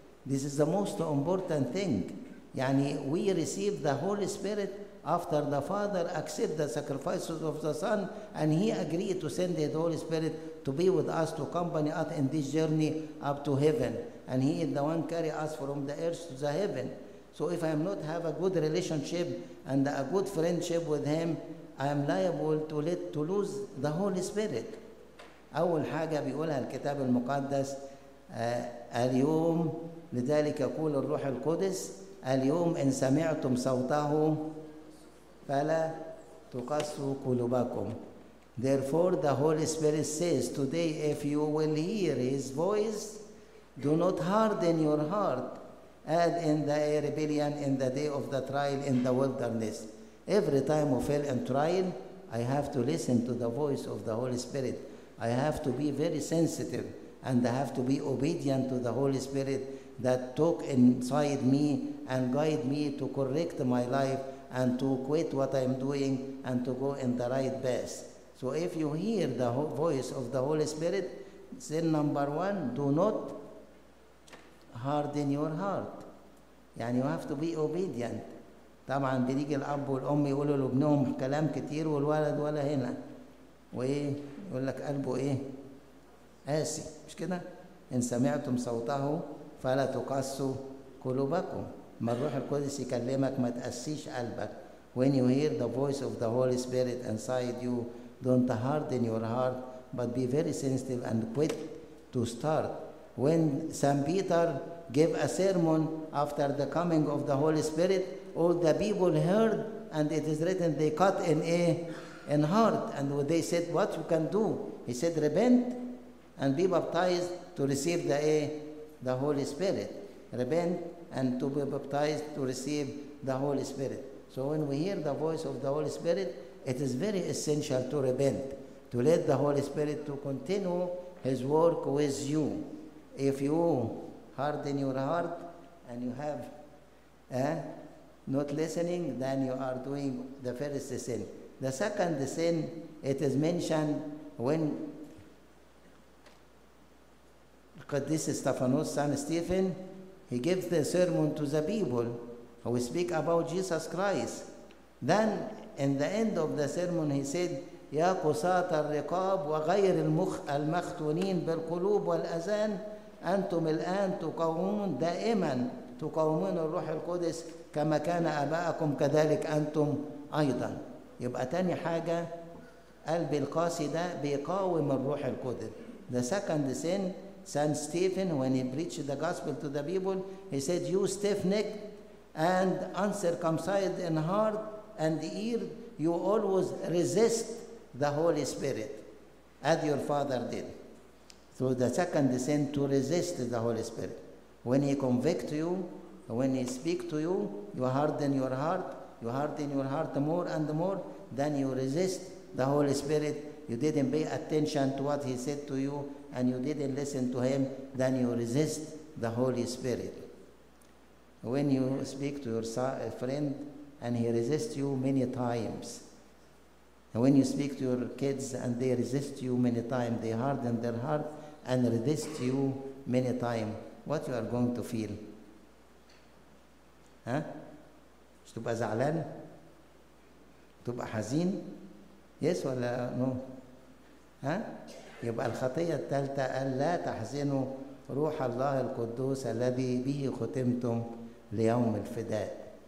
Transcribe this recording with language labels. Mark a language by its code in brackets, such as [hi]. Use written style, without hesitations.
[en] This is the most important thing. Yani we receive the Holy Spirit after the Father accept the sacrifices of the Son, and he agreed to send the Holy Spirit to be with us, to accompany us in this journey up to heaven. And he is the one carry us from the earth to the heaven. So if I am not have a good relationship and a good friendship with him, I am liable to lose the Holy Spirit. [ar] أول حاجة بيقولها الكتاب المقدس اليوم لذلك يقول الروح القدس اليوم إن سمعتم صوته فلا تقسوا قلوبكم. [en] Therefore the Holy Spirit says today if you will hear his voice do not harden your heart as in the rebellion in the day of the trial in the wilderness. Every time we fail in trial I have to listen to the voice of the Holy Spirit. I have to be very sensitive and I have to be obedient to the Holy Spirit that talk inside me and guide me to correct my life and to quit what I'm doing and to go in the right path. So if you hear the voice of the Holy Spirit, sin number one, do not harden your heart. يعني you have to be obedient. [ar] طبعا بيجي الأب والأم يقولوا لابنهم كلام كتير والولد ولا هنا. وإيه؟ يقول لك قلبه إيه؟ قاسي، مش كده؟ إن سمعتم صوته فلا تقسوا قلوبكم. ما الروح القدس يكلمك ما تقسيش قلبك. [en] When you hear the voice of the Holy Spirit inside you, don't harden your heart, but be very sensitive and quick to start. When St. Peter gave a sermon after the coming of the Holy Spirit, all the people heard, and it is written they cut in a in heart, and they said, what you can do? He said, repent and be baptized to receive the Holy Spirit. Repent and to be baptized to receive the Holy Spirit. So when we hear the voice of the Holy Spirit, it is very essential to repent, to let the Holy Spirit to continue his work with you. If you harden your heart and you have not listening, then you are doing the first sin. The second sin, it is mentioned when Qadis Stephanus, son Stephen, he gives the sermon to the people who speak about Jesus Christ. Then in the end of the sermon he said, [ar] يا قصاة الرقاب وغير المختونين بالقلوب والأذان أنتم الآن تقومون دائما تقومون الروح القدس كما كان آباءكم كذلك أنتم أيضا. يبقى تاني حاجة قلب القاسي ده بيقاوم الروح القدس. [en] The second sin, Saint Stephen, when he preached the gospel to the people, he said, you stiff-necked and uncircumcised in heart and ear, you always resist the Holy Spirit as your father did. So the second sin, to resist the Holy Spirit. When he convicts you, when he speaks to you, you harden your heart, you harden your heart more and more, then you resist the Holy Spirit. You didn't pay attention to what he said to you and you didn't listen to him, then you resist the Holy Spirit. When you speak to your friend and he resists you many times, when you speak to your kids and they resist you many times, they harden their heart and resist you many times, what you are going to feel? [ar] مش تبقى زعلان؟ تبقى حزين؟ يس ولا نو؟ ها؟ يبقى الخطية التالتة أن لا تحزنوا روح الله القدوس الذي به ختمتم ليوم الفداء.